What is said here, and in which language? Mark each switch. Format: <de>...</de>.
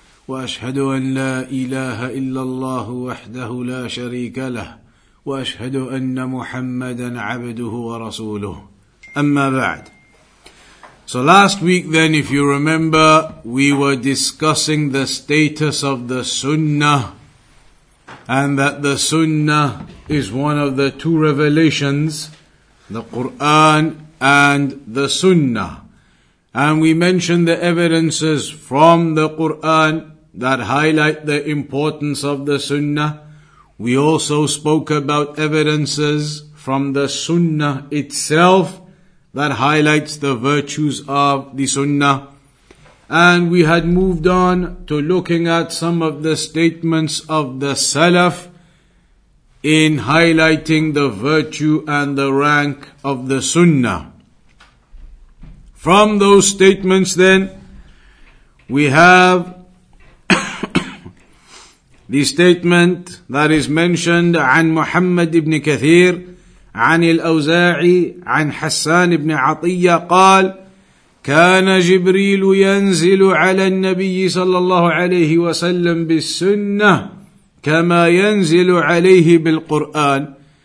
<ar>وأشهد أن لا إله إلا الله وحده لا شريك له وأشهد أن محمدًا عبده ورسوله أما بعد.</ar> <en>So last week then, if you remember, we were discussing the status of the Sunnah, and that the Sunnah is one of the two revelations, the Quran and the Sunnah. And we mentioned the evidences from the Quran that highlight the importance of the Sunnah. We also spoke about evidences from the Sunnah itself that highlights the virtues of the Sunnah. And we had moved on to looking at some of the statements of the Salaf in highlighting the virtue and the rank of the Sunnah. From those statements then, we have the statement that is mentioned,</en> <ar>عن محمد بن كثير عن الأوزاعي عن حسان بن عطية قال كان جبريل ينزل على النبي صلى الله عليه وسلم بالسنة كما ينزل عليه بالقرآن.</ar>